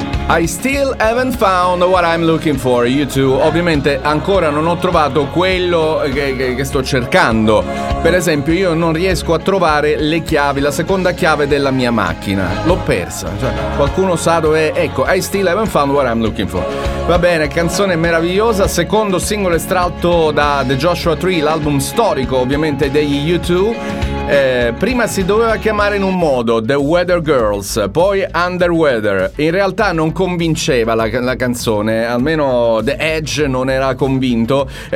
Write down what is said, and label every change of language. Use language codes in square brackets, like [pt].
[en] I still haven't found what I'm looking for, you two. [it] Ovviamente ancora non ho trovato quello che sto cercando. Per esempio, io non riesco a trovare le chiavi, la seconda chiave della mia macchina. L'ho persa, cioè, qualcuno sa dove è. Ecco, [en] I still haven't found what I'm looking for. [it] Va bene, canzone meravigliosa, secondo singolo estratto da The Joshua Tree, l'album storico ovviamente degli U2. Prima si doveva chiamare in un modo The Weather Girls, poi Underweather. In realtà non convinceva la canzone, almeno The Edge non era convinto.